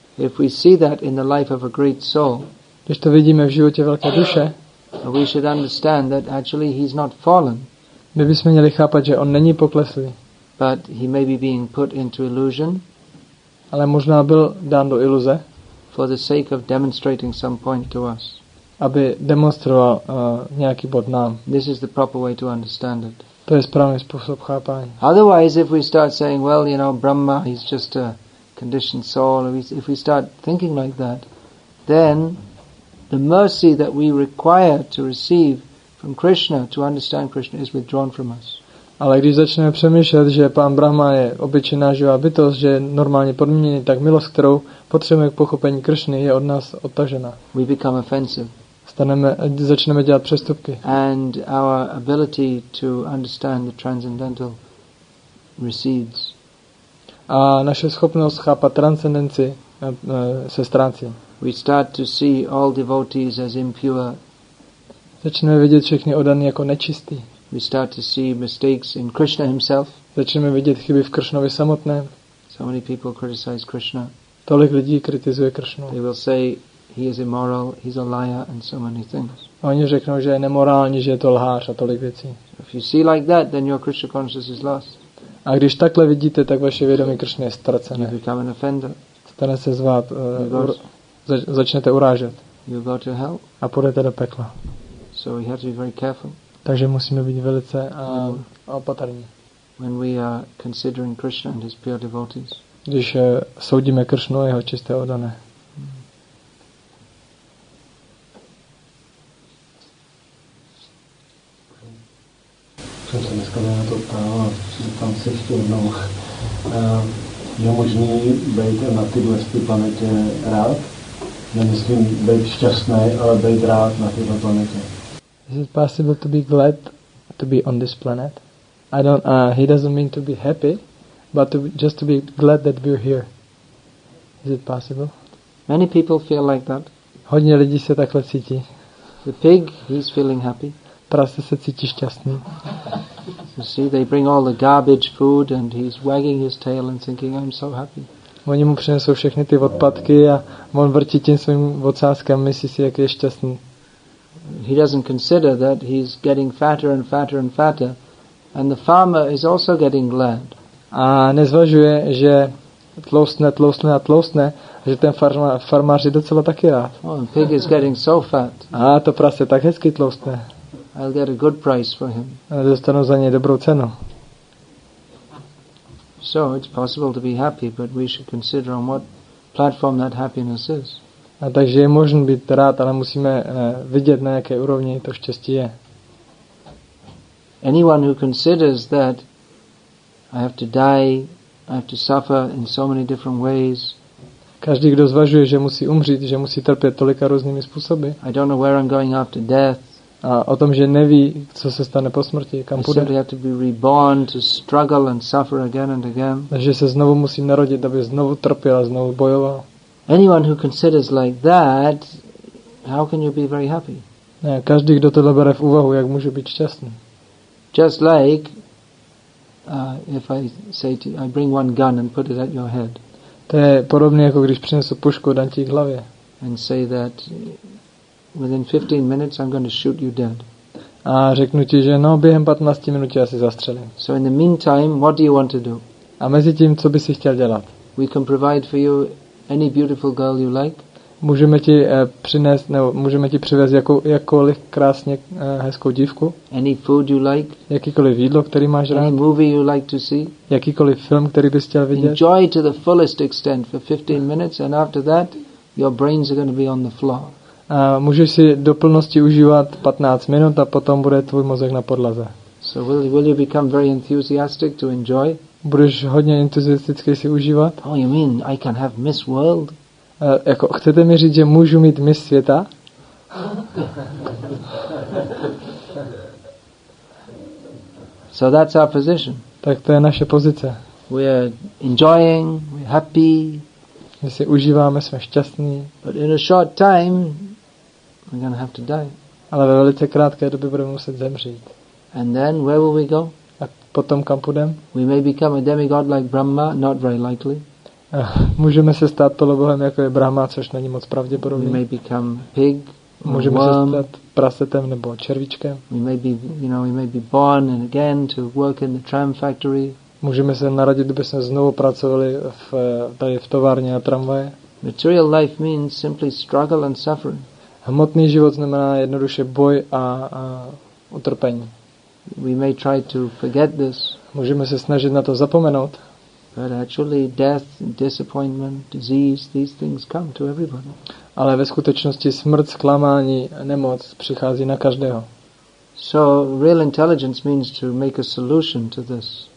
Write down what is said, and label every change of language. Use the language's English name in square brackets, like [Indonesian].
[English] If we see that in the life of a great soul, [Czech] když to vidíme v životě velké duše, [English] we should understand that actually he's not fallen. [Czech] My bychom měli chápat, že on není pokleslý. [English] But he may be being put into illusion. [Czech] Ale možná byl dán do iluze. [English] For the sake of demonstrating some point to us. [Czech] Aby demonstroval nějaký bod nám. [English] This is the proper way to understand it. [Czech] To je správný způsob chápání. [English] Otherwise, if we start saying, well, you know, Brahma, he's just a conditioned soul, if we start thinking like that, then the mercy that we require to receive from Krishna, to understand Krishna, is withdrawn from us. [Czech] Ale když začneme přemýšlet, že pán Brahma je obyčejná živá bytost, že je normálně podmíněný, tak milost, kterou potřebujeme k pochopení Krishny, je od nás odtažena. [English] We become offensive. [Czech] Začneme dělat přestupky. [English] And our ability to understand the transcendental recedes. [Czech] a naše schopnost chápat transcendenci se ztrácí. [English] We start to see all devotees as impure. [Czech] Začneme vidět všechny oddaní jako nečistý. [English] We start to see mistakes in Krishna himself. [Czech] Začneme vidět chyby v Krishnovi samotném. [English] So many people criticize Krishna. [Czech] Tolik lidí kritizuje Krishnu. [English] They will say he is immoral, he's a liar and so many things. [Czech] A oni řeknou, že je nemorální, že je to lhář a tolik věcí. [English] If you see like that, then your Krishna consciousness is lost. [Czech] A když takhle vidíte, tak vaše vědomí Krishna je ztracené. [English] You become an offender. [Czech] Stane se zvát, začnete urážet. [English] You go to hell. [Czech] A půjdete do pekla. [English] So we have to be very careful. [Czech] Takže musíme být velice opatrní. [English] When we are considering Krishna and his pure devotees. [Czech] Když soudíme Krishnu a jeho čisté oddané. Jsem se dneska na to ptal a tam se ještě jednou. Je možný být na této planetě rád? Nemyslím být šťastný, ale být rád na této planetě. [English] Is it possible to be glad to be on this planet? I don't. He doesn't mean to be happy, but to be, just to be glad that we're here. Is it possible? Many people feel like that. [Czech] Hodně lidí se takhle cítí. [English] The pig, he's feeling happy. [Czech] Prase se cítí šťastný. [English] You see, they bring all the garbage food, and he's wagging his tail and thinking, I'm so happy. [Czech] Oni mu přinesou všechny ty odpadky a on vrtí tím svým ocáskem, myslí si, jak je šťastný. [English] He doesn't consider that he's getting fatter and fatter and fatter, and the farmer is also getting glad. [Czech] A nezvažuje, že tloustne, tloustne a tloustne, a že ten farmář je docela taky rád. [English] Oh, the pig is getting so fat. [Czech] A to prase tak hezky tloustne. [English] I'll get a good price for him. [Czech] A dostanu za něj dobrou cenu. [English] So it's possible to be happy, but we should consider on what platform that happiness is. [Czech] A takže je možný být rád, ale musíme vidět, na jaké úrovni to štěstí je. [English] Anyone who considers that I have to die, I have to suffer in so many different ways. [Czech] Každý, kdo zvažuje, že musí umřít, že musí trpět tolika různými způsoby. [English] I don't know where I'm going after death. [Czech] A o tom, že neví, co se stane po smrti, kam půjde. [English] I have to be reborn to struggle and suffer again and again. [Czech] Takže se znovu musí narodit, aby znovu trpěl a znovu bojoval. [English] Anyone who considers like that, how can you be very happy? [Czech] Ne, každý, kdo tohle bere v úvahu, jak může být šťastný? [English] Just like if I say to you, I bring one gun and put it at your head. [Czech] To je podobné, jako když přinesu pušku, dám ti k hlavě. [English] And say that within 15 minutes I'm going to shoot you dead. [Czech] A řeknu ti, že no, během 15 minut asi zastřelím. [English] So in the meantime, what do you want to do? [Czech] A mezi tím, co bys chtěl dělat? [English] We can provide for you any beautiful girl you like. [Czech] Můžeme ti přinést, nebo můžeme ti přivést jakoukoliv krásně hezkou dívku. [English] Any food you like. [Czech] Jakýkoliv jídlo, který máš rád. [English] Any movie you like to see. [Czech] Jakýkoliv film, který bys chtěl vidět. [English] Enjoy to the fullest extent for 15 minutes and after that your brains are going to be on the floor. [Czech] Můžeš si do plnosti užívat 15 minut a potom bude tvůj mozek na podlaze. [English] So will you become very enthusiastic to enjoy? [Czech] Budeš hodně entuziasticky si užívat? [English] Oh, you mean I can have Miss World? [Czech] Jako, chcete mi říct, že můžu mít Miss světa? [English] So that's our position. [Czech] Tak to je naše pozice. [English] We are enjoying, we are happy. [Czech] My si užíváme, jsme šťastní. [English] But in a short time, we're gonna have to die. [Czech] Ale ve velice krátké době budeme muset zemřít. [English] And then, where will we go? [Czech] Potom kam půjdem? [English] We may become a demigod like Brahma, not very likely. [Czech] Můžeme se stát polobohem jako je Brahma, což není moc pravděpodobný. [English] We may become pig, [Czech] můžeme [English] worm. [Czech] Se stát prasetem nebo červíčkem. [English] We may be born and again to work in the tram factory. [Czech] Můžeme se narodit, kdyby jsme znovu pracovali v továrně a tramvaje. [English] Material life means simply struggle and suffering. [Czech] Hmotný život znamená jednoduše boj a utrpení. [English] We may try to forget this. [Czech] Můžeme se snažit na to zapomenout. [English] But actually death, disappointment, disease, these things come to everybody. [Czech] Ale ve skutečnosti smrt, zklamání, nemoc přichází na každého. [English] So real intelligence means to make a solution to this.